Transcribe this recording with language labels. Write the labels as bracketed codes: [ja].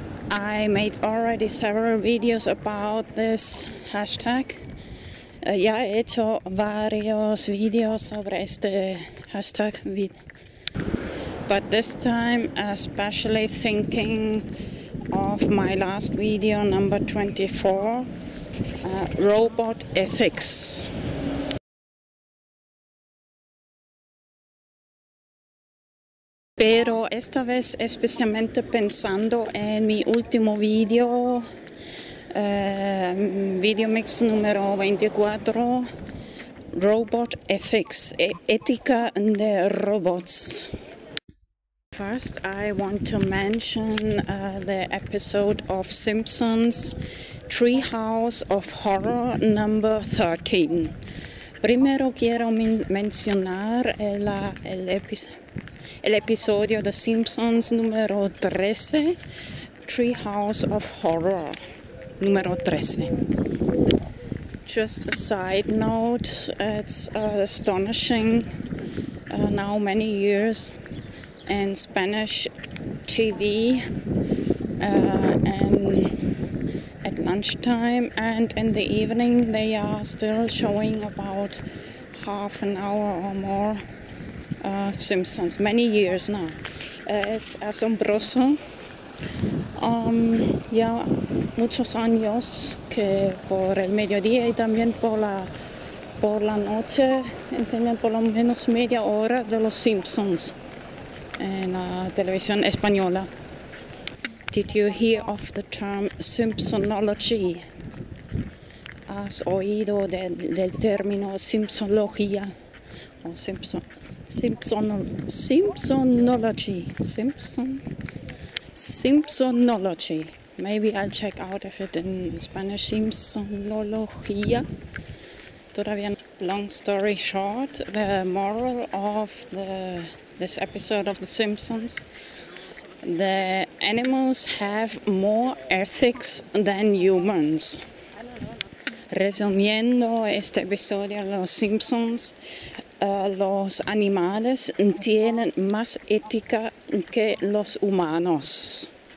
[en] I made already several videos about this hashtag. [es] Ya he hecho varios videos sobre este hashtag. [en] But this time, especially thinking of my last video, number 24, Robot Ethics. [es] Pero esta vez especialmente pensando en mi último video, VideoMix número 24, Robot Ethics, ética de robots. [en] First, I want to mention the episode of Simpsons, Treehouse of Horror, number 13. [es] Primero quiero mencionar el episodio de Simpsons número 13, Treehouse of Horror, número 13. [en] Just a side note, it's astonishing now many years in Spanish TV and at lunchtime and in the evening they are still showing about half an hour or more Simpsons, many years now. [es] Es asombroso. Ya muchos años que por el mediodía y también por la noche enseñan por lo menos media hora de los Simpsons en la televisión española. [en] Did you hear of the term Simpsonology? [es] ¿Has oído del término Simpsonología? O Simpsonology. [en] Maybe I'll check out if it in Spanish. Simpsonología. [es] Todavía no. [en] Long story short, the moral of this episode of The Simpsons, the animals have more ethics than humans. [es] Resumiendo este episodio de Los Simpsons, los animales tienen más ética que los humanos.